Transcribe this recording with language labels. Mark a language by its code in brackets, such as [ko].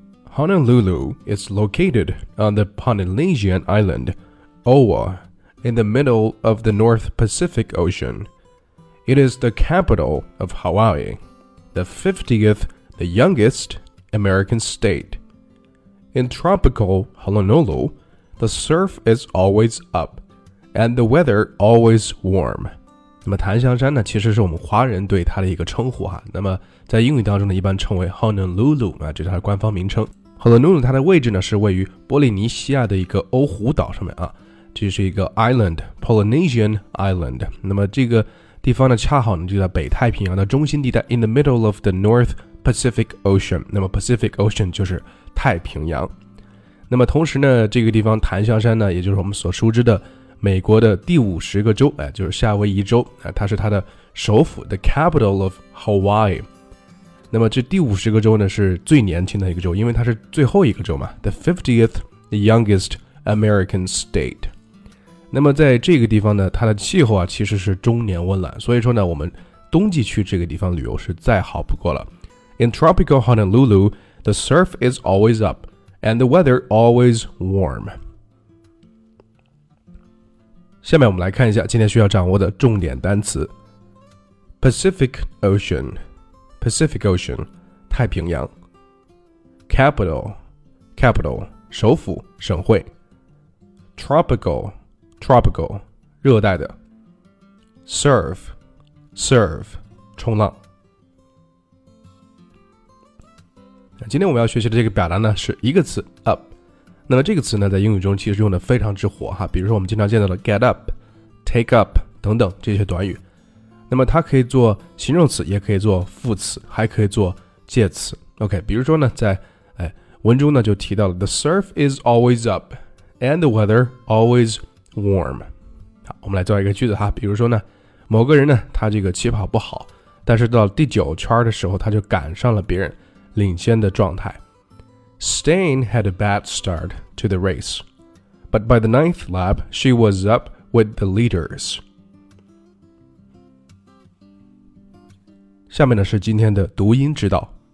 [en] Honolulu is located on the Polynesian island, Oahu. In the middle of the North Pacific Ocean. It is the capital of Hawaii, the 50th, the youngest American state. In tropical Honolulu, the surf is always up, and the weather always warm. [zh] 那么檀香山呢，其实是我们华人对它的一个称呼哈。那么在英语当中呢，一般称为 Honolulu, 啊，这是它的官方名称。 Honolulu 它的位置呢，是位于波利尼西亚的一个欧胡岛上面啊。这是一个 [en] island, Polynesian island. [zh] 那么这个地方呢恰好呢就在北太平洋的中心地带 [en] in the middle of the North Pacific Ocean. [zh] 那么 Pacific Ocean 就是太平洋。那么同时呢这个地方檀香山呢也就是我们所熟知的美国的第五十个州、哎、就是夏威夷州、哎、它是它的首府 [en] the capital of Hawaii. [zh] 那么这第五十个州呢是最年轻的一个州，因为它是最后一个州嘛 [en] the 50th, the youngest American state. [zh] 那么在这个地方呢它的气候啊其实是终年温暖，所以说呢我们冬季去这个地方旅游是再好不过了。 [en] In tropical Honolulu, the surf is always up, and the weather always warm. [zh] 下面我们来看一下今天需要掌握的重点单词。 [en] Pacific Ocean, Pacific Ocean, [zh] 太平洋。 [en] Capital, Capital, [zh] 首府省会。 [en] Tropical, [zh] 热带的。 [en] Surf, surf, [zh] 冲浪。今天我们要学习的这个表达呢是一个词 up。那么这个词呢在英语中其实用的非常之火哈，比如说我们经常见到的 get up, take up, 等等这些短语。那么它可以做形容词，也可以做副词，还可以做介词。 OK, 比如说呢在、哎、文中呢就提到了 [en] the surf is always up, and the weather always warm. [zh] 好，我们来造一个句子哈，比如说呢某个人呢他这个起跑不好，但是到第九圈的时候他就赶上了别人领先的状态。 [en] Stain had a bad start to the race, but by the ninth lap, she was up with the leaders. [zh] 下面呢是今天的读音指导。